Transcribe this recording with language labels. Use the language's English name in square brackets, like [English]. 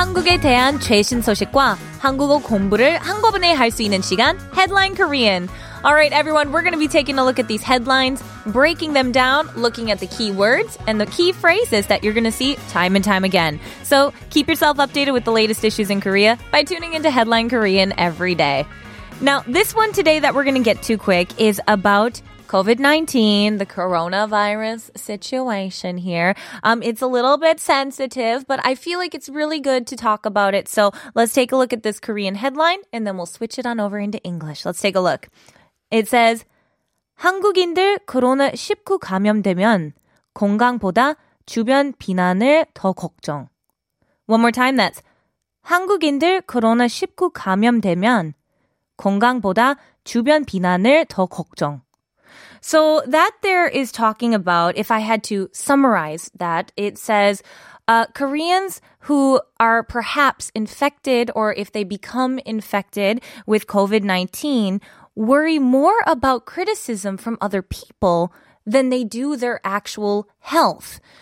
[Korean] Korea에 대한 최신 소식과 한국어 공부를 한꺼번에 할 수 있는 시간, Headline Korean. [English] All right, everyone, we're going to be taking a look at these headlines, breaking them down, looking at the key words and the key phrases that you're going to see time and time again. So keep yourself updated with the latest issues in Korea by tuning into Headline Korean every day. Now, this one today that we're going to get to quick is about COVID-19, the coronavirus situation here. It's a little bit sensitive, but I feel like it's really good to talk about it. So let's take a look at this Korean headline and then we'll switch it on over into English. Let's take a look. It says, [Korean] 한국인들 코로나19 감염되면 건강보다 주변 비난을 더 걱정. [English] One more time, that's [Korean] 한국인들 코로나19 감염되면 건강보다 주변 비난을 더 걱정. [English] So that there is talking about, if I had to summarize that, it says Koreans who are perhaps infected, or if they become infected with COVID-19, worry more about criticism from other people than they do their actual health.